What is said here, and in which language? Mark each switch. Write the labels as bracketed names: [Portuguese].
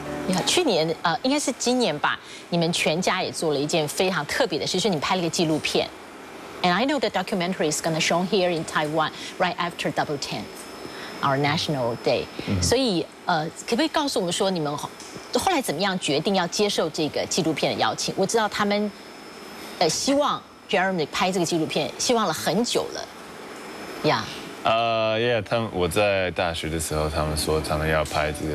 [Chinese] Yeah, 去年应该是今年吧，你们全家也做了一件非常特别的事，就是你拍了一个纪录片。 [English] And I know the documentary is going to show here in Taiwan right after Double Ten, our National Day.、Mm-hmm. [Chinese] 所以可不可以告诉我们说你们后来怎么样决定要接受这个纪录片的邀请？我知道他们希望。Jeremy 拍这个纪录片希望了很久了呀、 [English] yeah. [Chinese] Yeah, 他们我在大学的时候他们说他们要拍这个